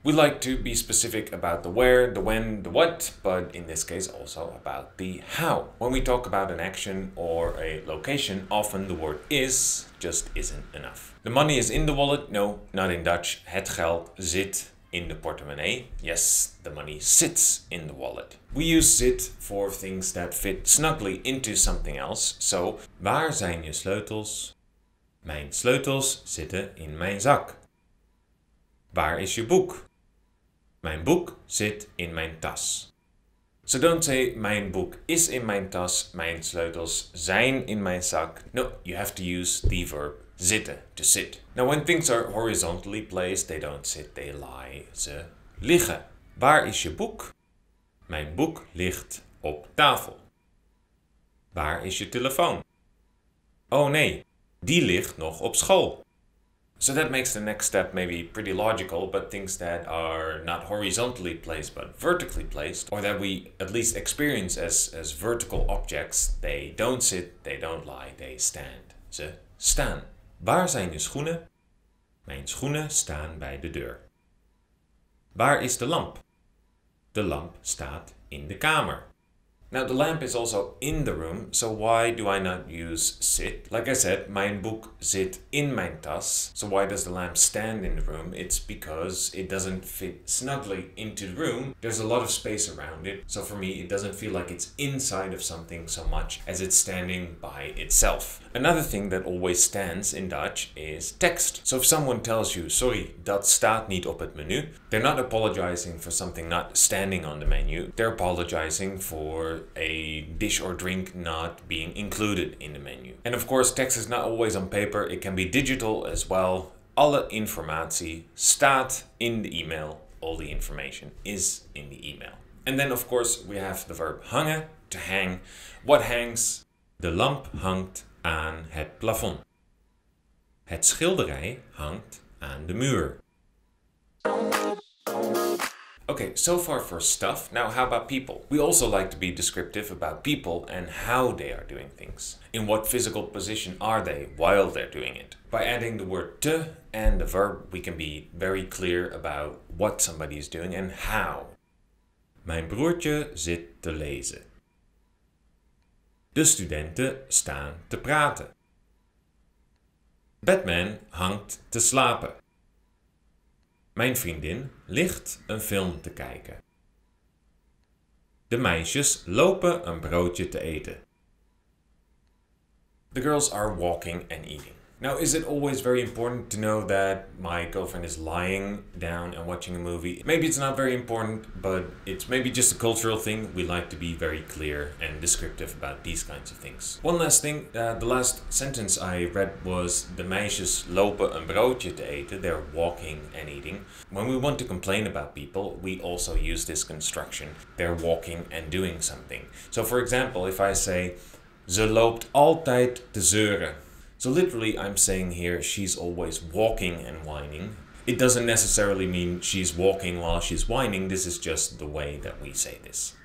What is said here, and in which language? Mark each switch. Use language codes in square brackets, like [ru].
[en] We like to be specific about the where, the when, the what, but in this case also about the how. When we talk about an action or a location, often the word is just isn't enough. The money is in the wallet. No, not in Dutch. [nl] Het geld zit in the portemonnee. [en] Yes, the money sits in the wallet. We use zit for things that fit snugly into something else. [nl] So, waar zijn je sleutels? Mijn sleutels zitten in mijn zak. Waar is je boek? Mijn boek zit in mijn tas. [en] So don't say, [nl] mijn boek is in mijn tas, mijn sleutels zijn in mijn zak. [en] No, you have to use the verb zitten, to sit. Now when things are horizontally placed, they don't sit, they lie, [nl] ze liggen. Waar is je boek? Mijn boek ligt op tafel. Waar is je telefoon? Oh nee, die ligt nog op school. [en] So that makes the next step maybe pretty logical, but things that are not horizontally placed but vertically placed, or that we at least experience as vertical objects, they don't sit, they don't lie, they stand. [nl] Ze staan. Waar zijn je schoenen? Mijn schoenen staan bij de deur. Waar is de lamp? De lamp staat in de kamer. [en] Now the lamp is also in the room, so why do I not use zit? Like I said, [nl] mijn boek zit in mijn tas. [en] So why does the lamp stand in the room? It's because it doesn't fit snugly into the room. There's a lot of space around it. So for me, it doesn't feel like it's inside of something so much as it's standing by itself. Another thing that always stands in Dutch is tekst. So if someone tells you, sorry, [nl] dat staat niet op het menu, [en] they're not apologizing for something not standing on the menu. They're apologizing for a dish or drink not being included in the menu. And of course, text is not always on paper. It can be digital as well. [nl] Alle informatie staat in the email. [en] All the information is in the email. And then, of course, we have the verb hangen, to hang. What hangs? [nl] De lamp hangt aan het plafond. Het schilderij hangt aan de muur. [en] Okay, so far for stuff, now how about people? We also like to be descriptive about people and how they are doing things. In what physical position are they while they're doing it? By adding the word te and the verb, we can be very clear about what somebody is doing and how. [nl] Mijn broertje zit te lezen. De studenten staan te praten. Batman hangt te slapen. Mijn vriendin ligt een film te kijken. De meisjes lopen een broodje te eten. [en] The girls are walking and eating. Now, is it always very important to know that my girlfriend is lying down and watching a movie? Maybe it's not very important, but it's maybe just a cultural thing. We like to be very clear and descriptive about these kinds of things. One last thing, the last sentence I read was [nl] de meisjes lopen een broodje te eten. [en] They're walking and eating. When we want to complain about people, we also use this construction. They're walking and doing something. So for example, if I say [nl] ze loopt altijd te zeuren. [en] So literally, I'm saying here, she's always walking and whining. It doesn't necessarily mean she's walking while she's whining. This is just the way that we say this.